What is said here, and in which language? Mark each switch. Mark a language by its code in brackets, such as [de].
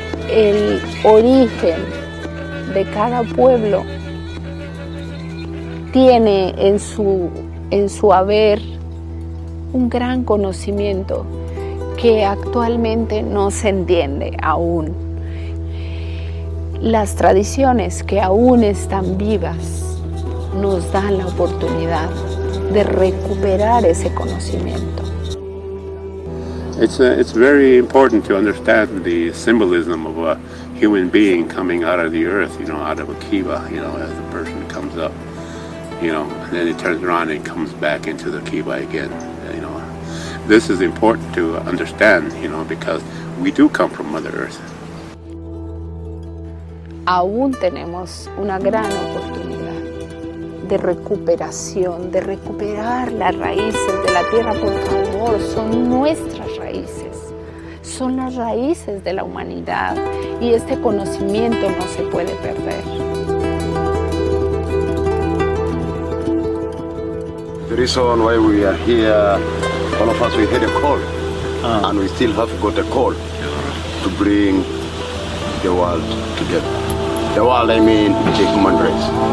[es] El origen de cada pueblo tiene en su haber un gran conocimiento que actualmente no se entiende aún. Las tradiciones que aún están vivas nos dan la oportunidad de recuperar ese conocimiento. [en] It's very important to understand the symbolism of a human being coming out of the earth, you know, out of a kiva, you know, as a person comes up, you know, and then it turns around and comes back into the kiva again, you know. This is important to understand, you know, because we do come from Mother Earth. [es] Aún tenemos una gran oportunidad de recuperación, de recuperar las raíces de la tierra, por favor, son nuestras. Son las raíces de la humanidad y este conocimiento no se puede perder. [en] The reason why we are here, all of us, we had a call, and we still have got a call to bring the world together. The world, I mean, the human race.